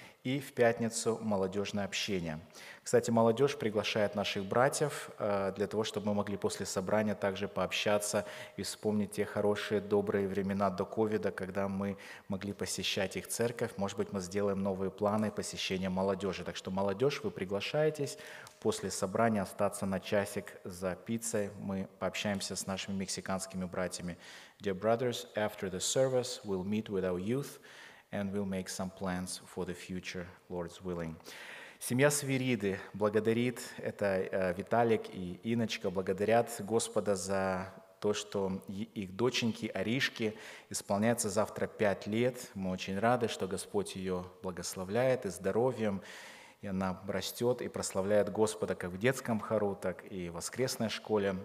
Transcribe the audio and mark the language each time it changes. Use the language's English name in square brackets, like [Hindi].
[Russian] И в пятницу молодежное общение. Кстати, молодежь приглашает наших братьев для того, чтобы мы могли после собрания также пообщаться и вспомнить те хорошие, добрые времена до ковида, когда мы могли посещать их церковь. Может быть, мы сделаем новые планы посещения молодежи. Так что, молодежь, вы приглашаетесь после собрания остаться на часик за пиццей. Мы пообщаемся с нашими мексиканскими братьями. [English] Dear brothers, after the service, we'll meet with our youth and we'll make some plans for the future, Lord's willing. [Russian] Семья Свириды благодарит, это Виталик и Иночка, благодарят Господа за то, что их доченьки Аришки исполняется завтра 5 лет. Мы очень рады, что Господь ее благословляет и здоровьем, и она растет и прославляет Господа как в детском хору, так и в воскресной школе.